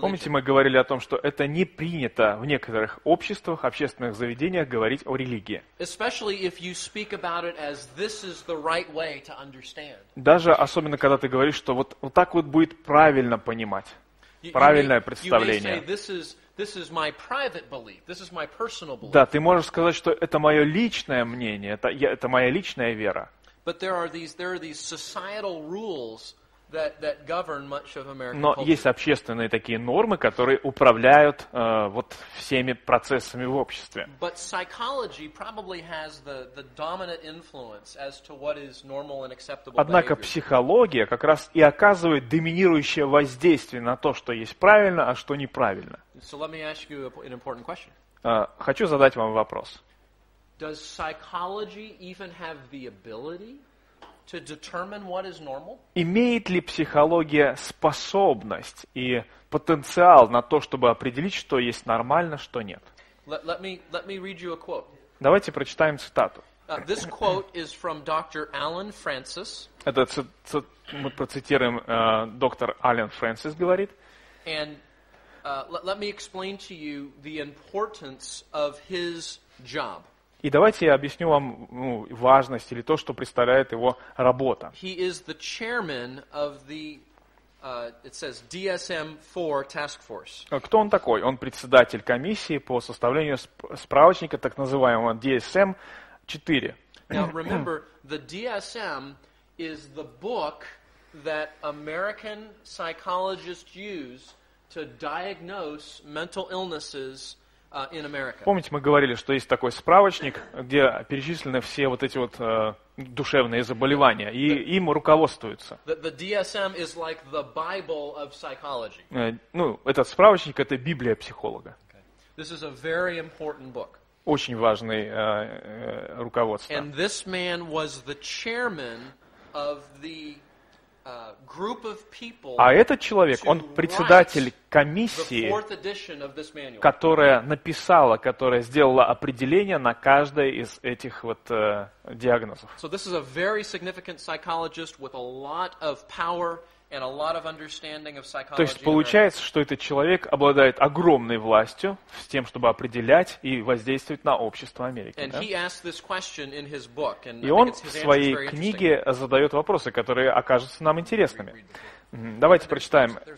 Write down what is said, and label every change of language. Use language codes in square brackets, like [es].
[ru] Помните, мы говорили о том, что это не принято в некоторых обществах, общественных заведениях говорить о религии. [en] Especially if you speak about it as this is the right way to understand. [ru] Даже особенно когда ты говоришь, что вот так вот будет правильно понимать. Правильное представление. [en] This is my private belief. This is my personal belief. [ru] Да, ты можешь сказать, что это моё личное мнение, это моя личная вера. [en] But there are these societal rules that govern much of American culture. [ru] Но есть общественные такие нормы, которые управляют всеми процессами в обществе. [en] But psychology probably has the dominant influence as to what is normal and acceptable. [ru] Однако психология как раз и оказывает доминирующее воздействие на то, что есть правильно, а что неправильно. [en] So let me ask you an important question. [ru] Хочу задать вам вопрос. [en] Does psychology even have the ability to determine what is normal? [ru] Имеет ли психология способность и потенциал на то, чтобы определить, что есть нормально, что нет? [en] Let me read you a quote. [ru] Давайте прочитаем цитату. [en] This quote is from Dr. Alan Francis. [ru] Это мы процитируем, доктор Алан Фрэнсис говорит. [en] And let me explain to you the importance of his job. [ru] И давайте я объясню вам важность или то, что представляет его работа. [en] He is the chairman of the, it says, DSM-4 task force. [ru] Кто он такой? Он председатель комиссии по составлению справочника, так называемого DSM-4. [en] Now, remember, the DSM is the book that American psychologists use to diagnose mental illnesses. In America. [ru] Помните, мы говорили, что есть такой справочник, где перечислены все вот эти вот душевные заболевания, и им руководствуются. [en] The DSM is like the Bible of psychology. [ru] Этот справочник – это Библия психолога. [en] Okay. This is a very important book. [ru] Очень важный руководство. [en] And this man was the chairman of the group of people. [ru] А этот человек, он председатель комиссии, которая написала, которая сделала определение на каждое из этих вот диагнозов. [en] So this is a very significant psychologist with a lot of power and a lot of understanding of psychology. [ru] То есть получается, что этот человек обладает огромной властью с тем, чтобы определять и воздействовать на общество Америки. [en] And he asked this question in his book, and [ru] и он в своей книге задает вопросы, которые окажутся нам интересными. Давайте прочитаем.